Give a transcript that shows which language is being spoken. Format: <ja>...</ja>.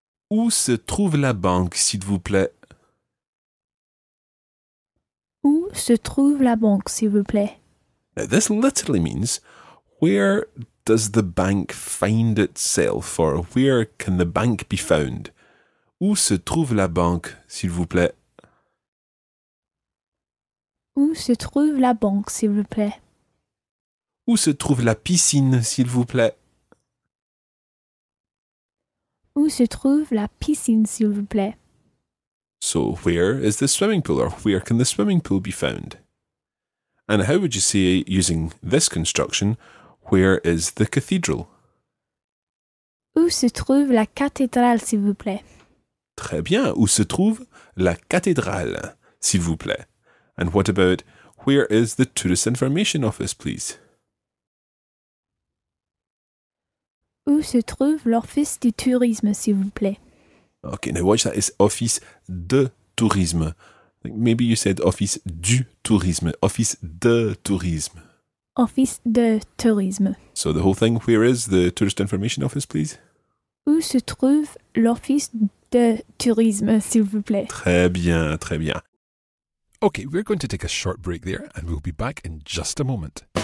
<fr>Où se trouve la banque, s'il vous plaît? Où se trouve la banque, s'il vous plaît?</fr> <en>Now, this literally means, where does the bank find itself? Or where can the bank be found?</en> <fr>Où se trouve la banque, s'il vous plaît? Où se trouve la banque, s'il vous plaît? Où se trouve la piscine, s'il vous plaît? Où se trouve la piscine, s'il vous plaît?</fr> <en>So, where is the swimming pool, or where can the swimming pool be found? And how would you say, using this construction, where is the cathedral?</en> <fr>Où se trouve la cathédrale, s'il vous plaît? Très bien, où se trouve la cathédrale, s'il vous plaît?</fr> <en>And what about, where is the tourist information office, please?</en> <fr>Où se trouve l'office du tourisme, s'il vous plaît?</fr> <en>Ok, now watch that, it's</en> <fr>office de tourisme.</fr> <en>Like maybe you said</en> <fr>office du tourisme, office de tourisme. Office de tourisme.</fr> <en>So the whole thing, where is the tourist information office, please?</en> <fr>Où se trouve l'office de tourisme, s'il vous plaît? Très bien, très bien.</fr> <en>Ok, we're going to take a short break there and we'll be back in just a moment.</en>